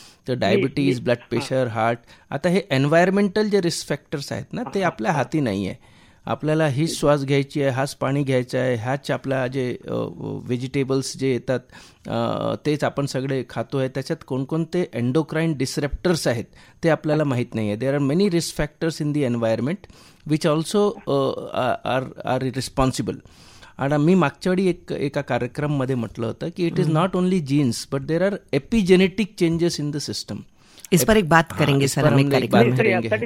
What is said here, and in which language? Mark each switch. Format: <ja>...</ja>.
<mr>तर diabetes, blood pressure, heart, आता हे एन्व्हायरमेंटल जे रिस्क फॅक्टर्स आहेत ना ते आपल्या हाती नाही आहे. आपल्याला ही श्वास घ्यायची आहे, हाच पाणी घ्यायचं आहे, ह्याच आपला जे व्हेजिटेबल्स जे येतात तेच आपण सगळे खातो आहे, त्याच्यात कोणकोणते एंडोक्राईन डिसरेप्टर्स आहेत ते आपल्याला माहीत नाही आहे.</mr> <en>There are many risk factors in the environment which also are responsible.</en> <mr>आणि मी मागच्या वेळी एका कार्यक्रममध्ये म्हटलं होतं की</mr> <en>It is not only genes but there are epigenetic changes in the system.</en> <hi>इस पर एक बात करेंगे सर, हम एक कार्यक्रम करेंगे.</hi>